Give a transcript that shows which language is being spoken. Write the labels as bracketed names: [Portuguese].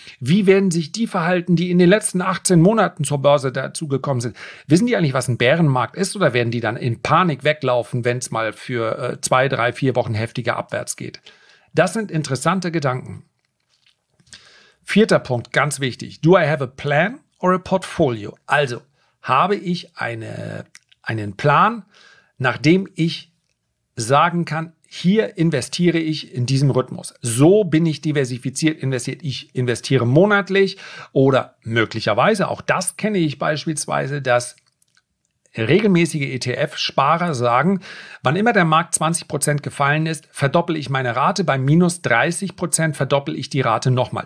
[German] Wie werden sich die verhalten, die in den letzten 18 Monaten zur Börse dazugekommen sind? Wissen die eigentlich, was ein Bärenmarkt ist, oder werden die dann in Panik weglaufen, wenn es mal für 2, 3, 4 Wochen heftiger abwärts geht? Das sind interessante Gedanken. Vierter Punkt, ganz wichtig. [English] Do I have a plan or a portfolio? [German] Also, habe ich einen Plan, nachdem ich sagen kann, hier investiere ich in diesem Rhythmus. So bin ich diversifiziert investiert. Ich investiere monatlich oder möglicherweise, auch das kenne ich beispielsweise, dass regelmäßige ETF-Sparer sagen, wann immer der Markt 20% gefallen ist, verdopple ich meine Rate, bei minus 30% verdopple ich die Rate nochmal.